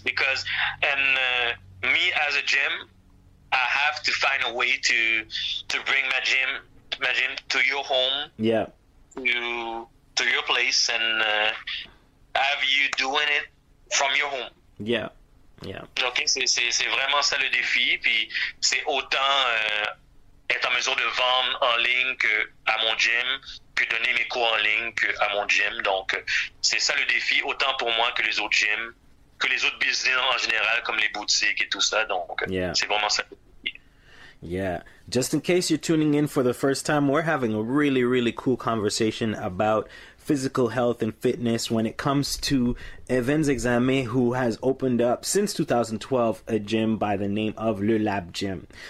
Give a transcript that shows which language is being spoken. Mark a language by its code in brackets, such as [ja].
[en] Because me as a gym, I have to find a way to bring my gym to your home. Yeah. To your place and have you doing it from your home. Yeah. [fr] Okay, c'est vraiment ça le défi. Puis c'est autant être en mesure de vendre en ligne que à mon gym, que donner mes cours en ligne que à mon gym. Donc c'est ça le défi, autant pour moi que les autres gyms, que les autres business en général, comme les boutiques et tout ça. Donc c'est vraiment ça. [en] Yeah. Just in case you're tuning in for the first time, we're having a really, really cool conversation about physical health and fitness when it comes to Evans Exame, who has opened up since 2012 a gym by the name of Le Lab Gym.